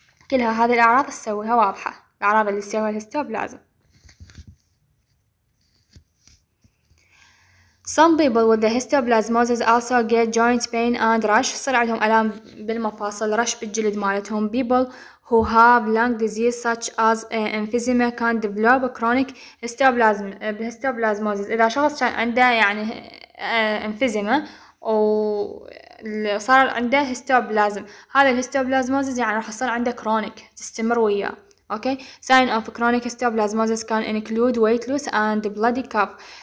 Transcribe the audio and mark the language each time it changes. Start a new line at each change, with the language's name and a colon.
Arabic: كلها هذه الأعراض تسويها واضحة، الأعراض اللي تسويها الهيستوبلازم.
English: Some people with the histoplasmosis also get joint pain and rash.
Arabic: صار عندهم ألام بالمفاصل، رش بالجلد مالتهم.
English: People who have lung disease such as emphysema can develop chronic histoplasmosis.
Arabic: إذا شخص كان عنده يعني انفيزيما وصار عنده histoplasm، هذا الهيستوبلازموزز يعني رح يصير عنده chronic، تستمر وياه. Okay.
English: Sign of chronic histoplasmosis can include weight loss and bloody cough.